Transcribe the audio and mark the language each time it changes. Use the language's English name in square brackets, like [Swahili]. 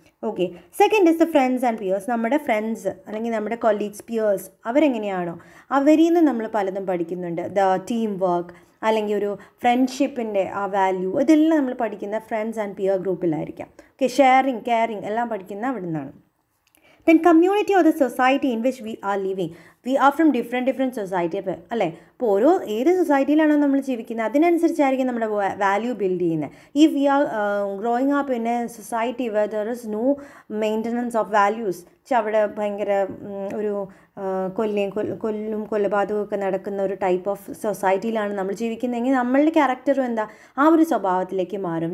[Malayalam] Okay, [English] Second is the friends and peers. [Malayalam] നമ്മുടെ friends അല്ലെങ്കിൽ നമ്മുടെ കൊളീഗ്സ് പിയേഴ്സ് അവരെങ്ങനെയാണോ അവരിൽ നിന്ന് നമ്മൾ പലതും പഠിക്കുന്നുണ്ട്. ദ ടീം വർക്ക് അല്ലെങ്കിൽ ഒരു ഫ്രണ്ട്ഷിപ്പിൻ്റെ ആ വാല്യൂ, ഇതെല്ലാം നമ്മൾ പഠിക്കുന്ന friends and peer ഗ്രൂപ്പിലായിരിക്കാം. Okay, sharing caring എല്ലാം പഠിക്കുന്ന അവിടെ നിന്നാണ്. [English] Then community or the society in which we are living. We are from different society. [Malayalam] അല്ലേ ഇപ്പോൾ ഓരോ ഏത് സൊസൈറ്റിയിലാണോ നമ്മൾ ജീവിക്കുന്നത് അതിനനുസരിച്ചായിരിക്കും നമ്മുടെ വാല്യൂ ബിൽഡ് ചെയ്യുന്നത്. [English] if we are growing up in a society where there is no maintenance of values, [Malayalam] പക്ഷേ അവിടെ ഭയങ്കര ഒരു കൊല്ലും കൊലപാതകമൊക്കെ നടക്കുന്ന ഒരു ടൈപ്പ് ഓഫ് സൊസൈറ്റിയിലാണ് നമ്മൾ ജീവിക്കുന്നതെങ്കിൽ നമ്മളുടെ ക്യാരക്ടറും എന്താ ആ ഒരു സ്വഭാവത്തിലേക്ക് മാറും.